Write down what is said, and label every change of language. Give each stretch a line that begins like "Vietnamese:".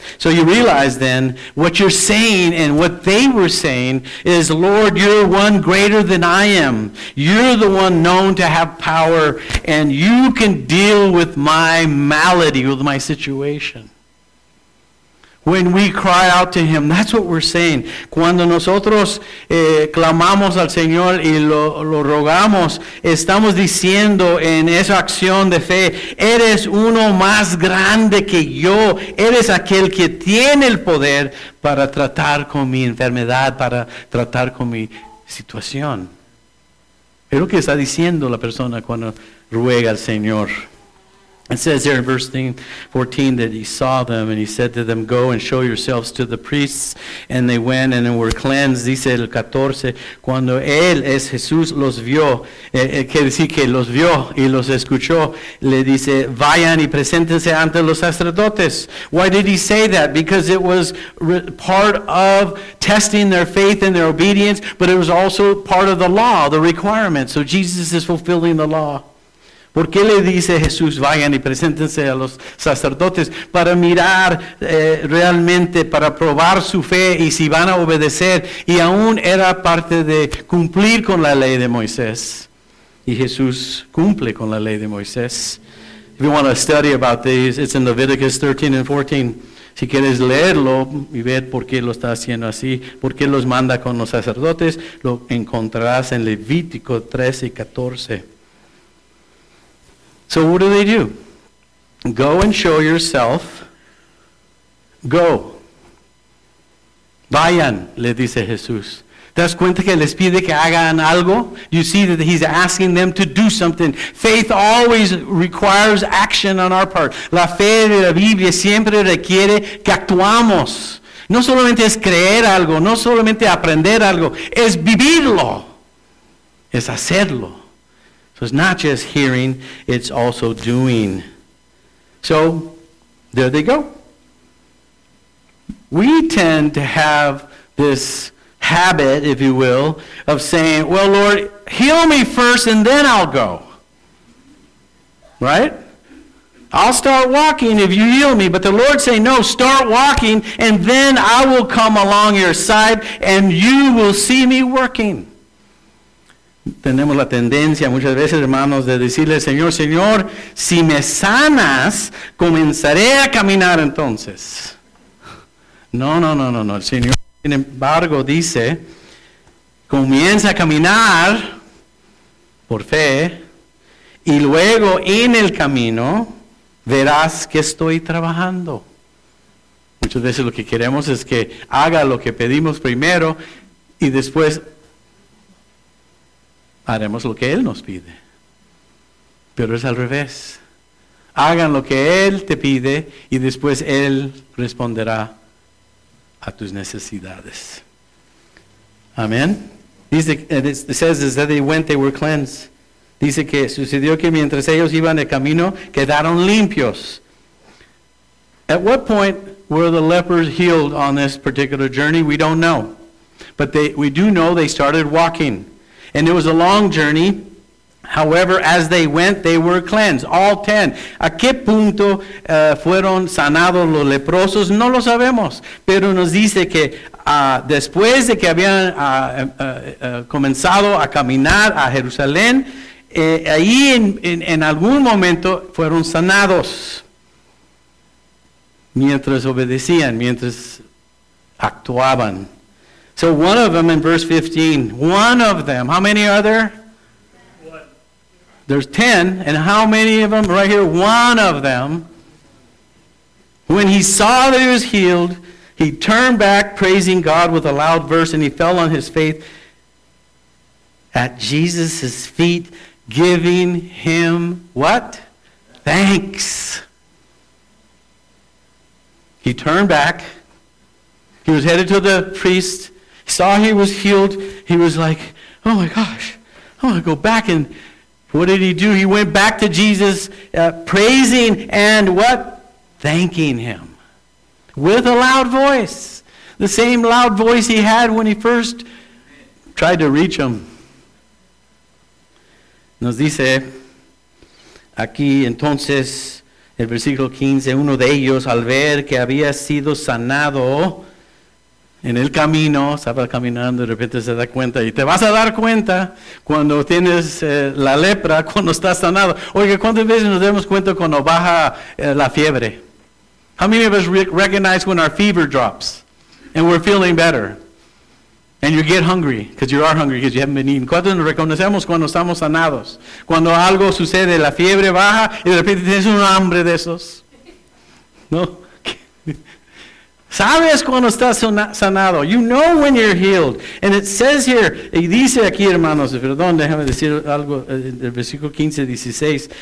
English: So you realize then, what you're saying and what they were saying is, Lord, you're one greater than I am. You're the one known to have power, and you can deal with my malady, with my situation. When we cry out to him, that's what we're saying.
Spanish: Cuando nosotros clamamos al Señor y lo rogamos, estamos diciendo en esa acción de fe, eres uno más grande que yo. Eres aquel que tiene el poder para tratar con mi enfermedad, para tratar con mi situación. Es lo que está diciendo la persona cuando ruega al Señor.
English: It says there in verse 14 that he saw them and he said to them, go and show yourselves to the priests. And they went and were cleansed.
Spanish: Dice el 14, cuando él es Jesús los vio, quiere decir que los vio y los escuchó, le dice, vayan y preséntense ante los sacerdotes.
English: Why did he say that? Because it was part of testing their faith and their obedience, but it was also part of the law, the requirement. So Jesus is fulfilling the law.
Spanish: ¿Por qué le dice Jesús, vayan y preséntense a los sacerdotes? Para mirar realmente, para probar su fe y si van a obedecer. Y aún era parte de cumplir con la ley de Moisés. Y Jesús cumple con la ley de Moisés.
English: If you want to study about these, it's in Leviticus 13 and 14.
Spanish: Si quieres leerlo y ver por qué lo está haciendo así, por qué los manda con los sacerdotes, lo encontrarás en Levítico 13 y 14.
English: So what do? Go and show yourself. Go.
Spanish: Vayan, le dice Jesús. ¿Te das cuenta que les pide que hagan algo?
English: You see that he's asking them to do something. Faith always requires action on our part.
Spanish: La fe de la Biblia siempre requiere que actuamos. No solamente es creer algo, no solamente aprender algo, es vivirlo. Es hacerlo.
English: So it's not just hearing, it's also doing. So, there they go. We tend to have this habit, if you will, of saying, well, Lord, heal me first and then I'll go. Right? I'll start walking if you heal me. But the Lord say, no, start walking, and then I will come along your side, and you will see me working.
Spanish: Tenemos la tendencia muchas veces, hermanos, de decirle, Señor, Señor, si me sanas, comenzaré a caminar entonces. No. El Señor, sin embargo, dice, comienza a caminar por fe, y luego en el camino verás que estoy trabajando. Muchas veces lo que queremos es que haga lo que pedimos primero y después haremos lo que Él nos pide. Pero es al revés. Hagan lo que Él te pide y después Él responderá a tus necesidades.
English: Amén. It says that they were cleansed.
Spanish: Dice que sucedió que mientras ellos iban de camino, quedaron limpios.
English: At what point were the lepers healed on this particular journey? We don't know. But we do know they started walking. And it was a long journey. However, as they went, they were cleansed. All 10.
Spanish: ¿A qué punto fueron sanados los leprosos? No lo sabemos. Pero nos dice que después de que habían comenzado a caminar a Jerusalén, ahí en algún momento fueron sanados mientras obedecían, mientras actuaban.
English: So one of them in verse 15, one of them, how many are there? One. There's 10, and how many of them? Right here, one of them. When he saw that he was healed, he turned back praising God with a loud voice, and he fell on his face at Jesus' feet, giving him what? Thanks. He turned back. He was headed to the priest. He saw he was healed. He was like, oh my gosh, I want to go back. And what did he do? He went back to Jesus, praising and what? Thanking him. With a loud voice. The same loud voice he had when he first tried to reach him.
Spanish: Nos dice aquí entonces el versículo 15, uno de ellos al ver que había sido sanado en el camino, estaba caminando y de repente se da cuenta, y te vas a dar cuenta cuando tienes la lepra, cuando estás sanado. Oye, ¿cuántas veces nos damos cuenta cuando baja la fiebre?
English: How many of us recognize when our fever drops and we're feeling better? And you get hungry, because you are hungry, because you haven't been eating.
Spanish: ¿Cuántos nos reconocemos cuando estamos sanados? Cuando algo sucede, la fiebre baja, y de repente tienes un hambre de esos. ¿No? ¿Sabes cuando estás sanado?
English: You know when you're healed. And it says here,
Spanish: y dice aquí, hermanos, perdón, déjame decir algo, el versículo 15, 16.